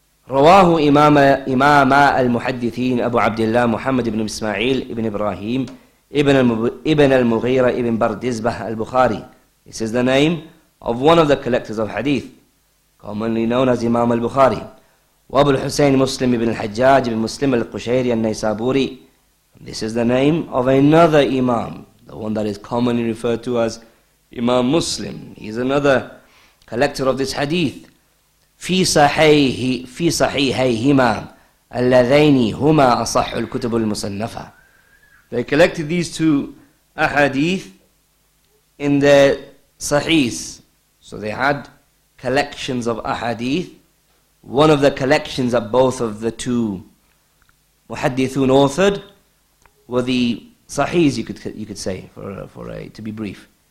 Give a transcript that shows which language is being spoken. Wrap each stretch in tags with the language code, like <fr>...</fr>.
<ar>رواه إمام المحدثين أبو عبد الله محمد بن إسماعيل بن إبراهيم ابن المغيرة ابن بردزبة البخاري.</ar> <en>This is the name of one of the collectors of hadith, commonly known as Imam al-Bukhari.</en> <ar>وابو الحسين مسلم بن الحجاج بن مسلم القشيري النيسابوري.</ar> <en>This is the name of another Imam, the one that is commonly referred to as Imam Muslim. He is another collector of this hadith.</en> <ar>في صحيحيهما اللذين هما أصح الكتب المصنفة.</ar> <en>They collected these two ahadith in their sahihs. So they had collections of ahadith, one of the collections of both of the two muhaddithun authored were the sahihs, you could say, to be brief.</en>